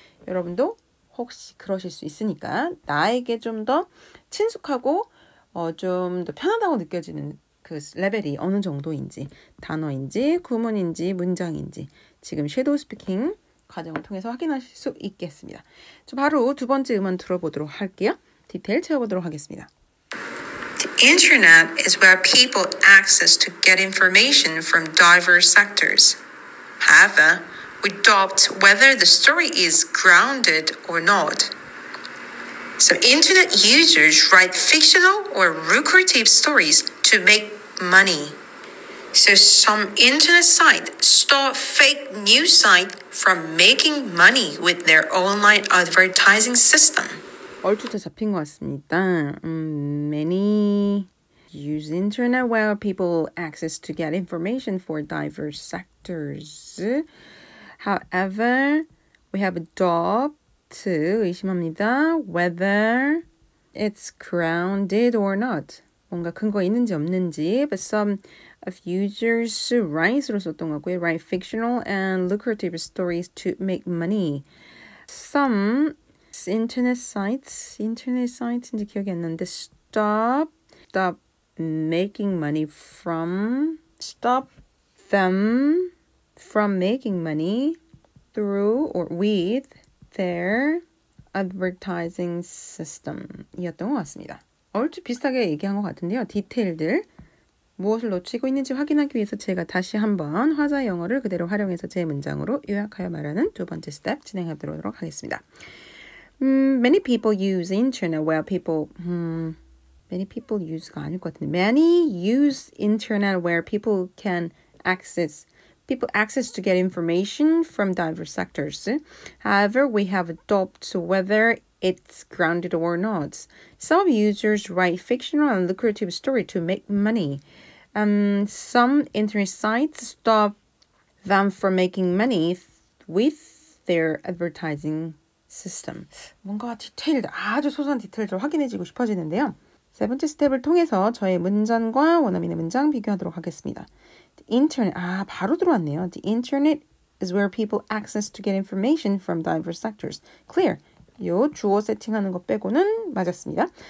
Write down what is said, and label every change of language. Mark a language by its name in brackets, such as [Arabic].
[Korean] 여러분도 혹시 그러실 수 있으니까 나에게 좀 더 친숙하고 좀 더 편하다고 느껴지는 그 레벨이 어느 정도인지 단어인지 구문인지 문장인지 지금 섀도우 스피킹 과정을 통해서 확인하실 수 있겠습니다. 바로 두 번째 음원 들어보도록 할게요. 디테일 채워보도록 하겠습니다. [English] Internet is where people access to get information from diverse sectors. However, we doubt whether the story is grounded or not. So internet users write fictional or lucrative stories to make money. So some internet sites stop fake news sites from making money with their online advertising system. [Korean] 얼추 다 잡힌 것 같습니다. [English] Many use internet where people access to get information for diverse sectors. However, we have a doubt, [Korean] 의심합니다. [English] Whether it's grounded or not. [Korean] 뭔가 근거 있는지 없는지. [English] But some of users write [Korean] 으로 썼던 거고요. [English] Write fictional and lucrative stories to make money. Some internet sites [Korean] 인지 기억이 안 나는데 [English] stop making money from stop them from making money through or with their advertising system [Korean] 이었던 것 같습니다. 얼추 비슷하게 얘기한 것 같은데요. 디테일들 무엇을 놓치고 있는지 확인하기 위해서 제가 다시 한번 화자 영어를 그대로 활용해서 제 문장으로 요약하여 말하는 두 번째 스텝 진행하도록 하겠습니다. [English] Many people use internet where people many people use [Korean] 가 아닐 것 같은데 [English] many use internet where people can access people access to get information from diverse sectors. However, we have doubt whether it's grounded or not. Some users write fictional and lucrative story to make money. Some internet sites stop them from making money with their advertising system. [Korean] 뭔가 디테일, 아주 소소한 디테일을 확인해지고 싶어지는데요. 세 번째 스텝을 통해서 저의 문장과 원어민의 문장 비교하도록 하겠습니다. [English] The internet, [Korean] 아, 바로 들어왔네요. [English] The internet is where people access to get information from diverse sectors. Clear. [Korean] 요 주어 세팅하는 것 빼고는 맞았습니다.